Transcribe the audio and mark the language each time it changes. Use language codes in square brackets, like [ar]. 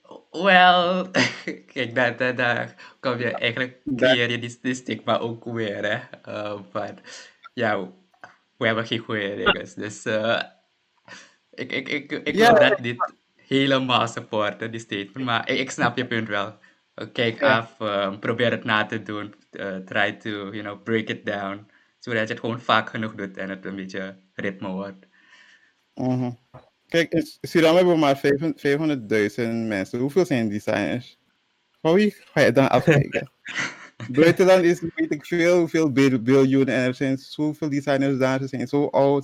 [nl] Wel, kijk, daar kom je eigenlijk, creëer je die stigma ook weer, hè. Maar ja, we hebben geen goede regels. Dus ik wil dat niet helemaal supporten, die statement. Maar ik snap je punt wel. Kijk af, probeer het na te doen. [en] Try to, you know, break it down. [nl] Zodat je het gewoon vaak genoeg doet en het een beetje ritme wordt. Kijk, in Suriname hebben we maar 500.000 mensen. Hoeveel zijn designers? Hoe ga je dan afkijken? Buitenland is, weet ik veel, hoeveel biljoen. En er zijn zoveel designers daar. Ze zijn zo oud.